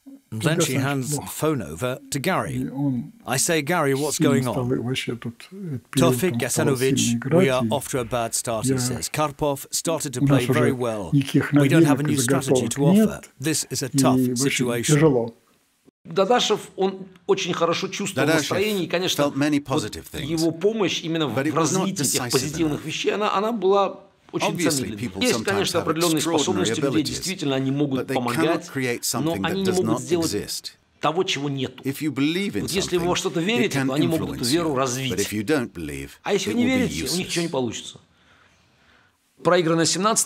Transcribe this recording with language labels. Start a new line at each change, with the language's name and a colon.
English: Then she hands the phone over to Garry. I say, Garry, what's going on? Tofik Gasanovich, we are off to a bad start, he says. Karpov started to play very well. We don't have a new strategy to offer. This is a tough situation.
Russian: Дадашев, он очень хорошо чувствовал настроение, и, конечно, его помощь именно в развитии этих позитивных вещей, она была...
English: Obviously, people sometimes have extraordinary abilities, but they cannot create something that does not exist. If you believe in something, they can influence you. But if you don't believe, it will be useless.